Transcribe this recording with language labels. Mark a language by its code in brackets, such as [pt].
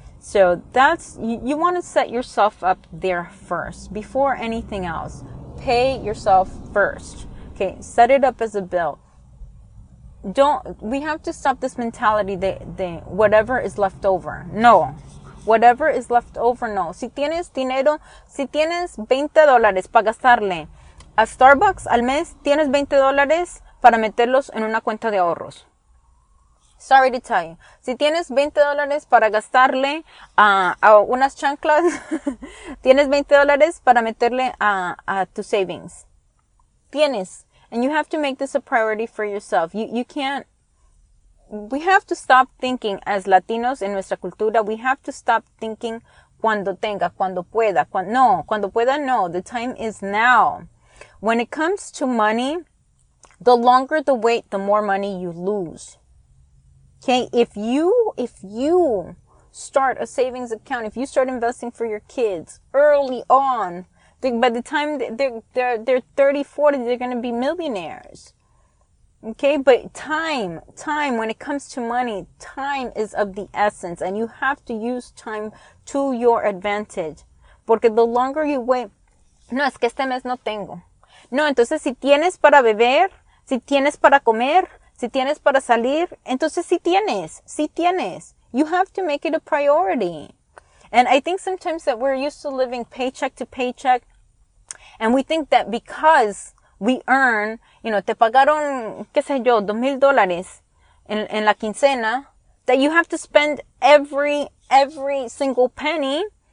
[en] So that's, you want to set yourself up there first before anything else. Pay yourself first. Okay. Set it up as a bill. We have to stop this mentality that whatever is left over. No. Whatever is left over, no. [es] Si tienes dinero, si tienes $20 para gastarle a Starbucks al mes, tienes $20 para meterlos en una cuenta de ahorros. [en] Sorry to tell you. [es] Si tienes $20 para gastarle a unas chanclas, tienes $20 para meterle a tu savings. Tienes. [en] And you have to make this a priority for yourself. You can't. We have to stop thinking as Latinos in [es] nuestra cultura. [en] We have to stop thinking [es] cuando tenga, cuando pueda. [en] No. The time is now. When it comes to money, the longer the wait, the more money you lose. Okay, if you start a savings account, if you start investing for your kids early on, by the time they're 30, 40, they're going to be millionaires. Okay, but time, when it comes to money, time is of the essence, and you have to use time to your advantage. [es] Porque [en] the longer you wait, [es] no, es que este mes no tengo. No, entonces si tienes para beber, si tienes para comer, si tienes para salir, entonces si tienes. [en] You have to make it a priority. And I think sometimes that we're used to living paycheck to paycheck. And we think that because we earn, you know, [es] te pagaron, qué sé yo, [en] $2,000 [es] en la quincena, [en] that you have to spend every single penny.